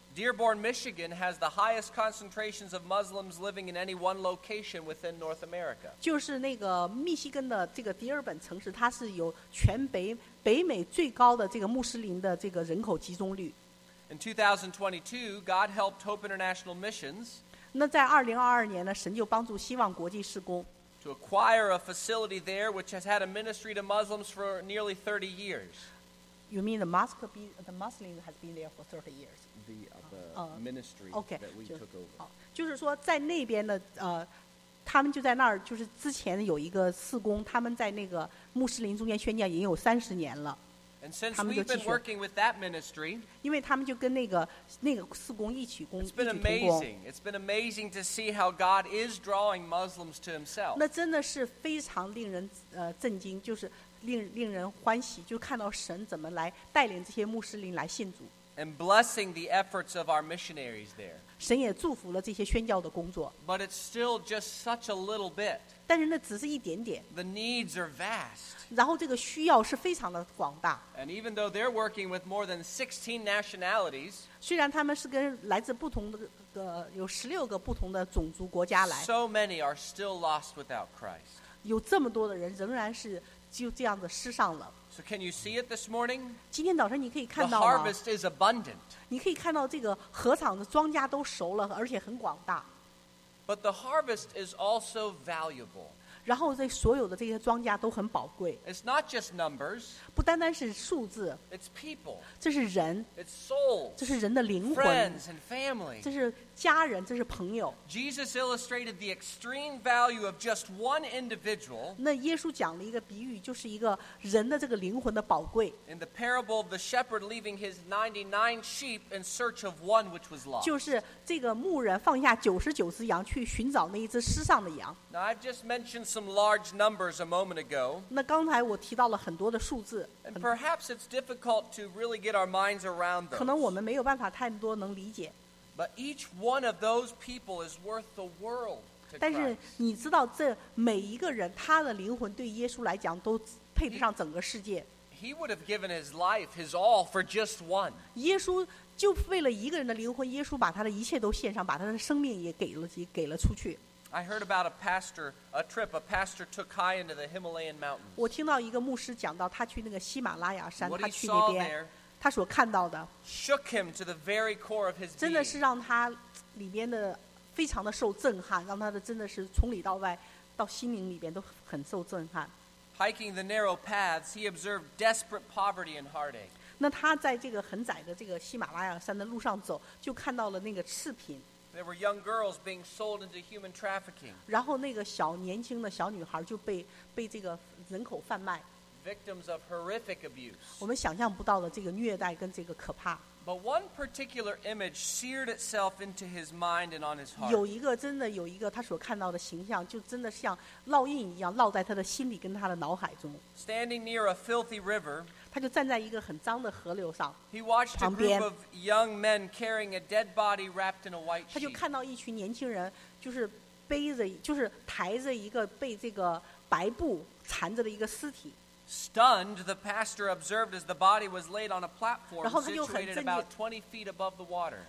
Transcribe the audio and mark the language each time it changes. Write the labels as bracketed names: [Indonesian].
[English] Dearborn, Michigan has the highest concentrations of Muslims living in any one location within North America. [Chinese] 就是那个密西根的这个迪尔本城市，它是有全北美最高的这个穆斯林的这个人口集中率。 [English] In 2022, God helped Hope International Missions. [Chinese] 那在2022年呢，神就帮助希望国际事工。 [English] To acquire a facility there, which has had a ministry to Muslims for nearly 30 years. You mean the mosque? The Muslim has been there for 30 years. The ministry that we took over. [Chinese] 就是说在那边的他们就在那儿就是之前有一个事工他们在那个穆斯林中间宣教已经有30年了。 [English] And since we've been working with that ministry, [Chinese] 因为他们就跟那个事工一起工作。 [English] It's been amazing. It's been amazing to see how God is drawing Muslims to himself. [Chinese] 那真的是非常令人震惊就是令人欢喜就看到神怎么来带领这些穆斯林来信主。 [English] And blessing the efforts of our missionaries there. [Chinese] 神也祝福了这些宣教的工作。 [English] But it's still just such a little bit. [Chinese] 但是那只是一点点。 [English] The needs are vast. [Chinese] 然后这个需要是非常的广大。 [English] And even though they're working with more than 16 nationalities, [Chinese] 虽然他们是跟来自不同的有16个不同的种族国家来。 [English] So many are still lost without Christ. [Chinese] 有这么多的人仍然是就这样子失上了。 [English] So can you see it this morning? [Chinese] 今天早上你可以看到吗? [English] The harvest is abundant. [Chinese] 你可以看到这个禾场的庄稼都熟了，而且很广大。 [English] But the harvest is also valuable. [Chinese] 然后这所有的这些庄稼都很宝贵。 [English] It's not just numbers. [Chinese] 不单单是数字。 [English] It's people. [Chinese] 这是人。 [English] It's souls. [Chinese] 这是人的灵魂。 [English] Friends and family. [Chinese] 这是家人，这是朋友。 [English] Jesus illustrated the extreme value of just one individual. [Chinese] 那耶稣讲了一个比喻，就是一个人的这个灵魂的宝贵。 [English] In the parable of the shepherd leaving his 99 sheep in search of one which was lost. [Chinese] 就是这个牧人放下99只羊去寻找那一只失丧的羊。 [English] Now I've just mentioned some large numbers a moment ago. [Chinese] 那刚才我提到了很多的数字。 [English] And perhaps it's difficult to really get our minds around them. [Chinese] 可能我们没有办法太多能理解。 [English] But each one of those people is worth the world to Christ. [Chinese] 但是你知道这每一个人他的灵魂对耶稣来讲都配得上整个世界。 [English] He would have given his life, his all for just one. [Chinese] 耶稣就为了一个人的灵魂耶稣把他的一切都献上把他的生命也给了出去。 [English] I heard about a trip a pastor took high into the Himalayan mountains. [Chinese] 我听到一个牧师讲到他去那个喜马拉雅山他去那边。他所看到的 [English] shook him to the very core of his [Chinese] 真的是让他里面的非常的受震撼让他的真的是从里到外到心灵里边都很受震撼 [English] hiking the narrow paths he observed desperate poverty and heartache [Chinese] 那他在这个很窄的这个喜马拉雅山的路上走就看到了那个赤贫 [English] there were young girls being sold into human trafficking [Chinese] 然后那个小年轻的小女孩就被这个人口贩卖 [English] Victims of horrific abuse. [Chinese] 我们想象不到的这个虐待跟这个可怕。 [English] But one particular image seared itself into his mind and on his heart. [Chinese] 有一个真的有一个他所看到的形象，就真的像烙印一样烙在他的心里跟他的脑海中。 [English] Standing near a filthy river. [Chinese] 他就站在一个很脏的河流上。 [English] He watched a group of young men carrying a dead body wrapped in a white sheet. [Chinese] 他就看到一群年轻人就是背着就是抬着一个被这个白布缠着的一个尸体。 [English] Stunned, the pastor observed as the body was laid on a platform situated about 20 feet above the water.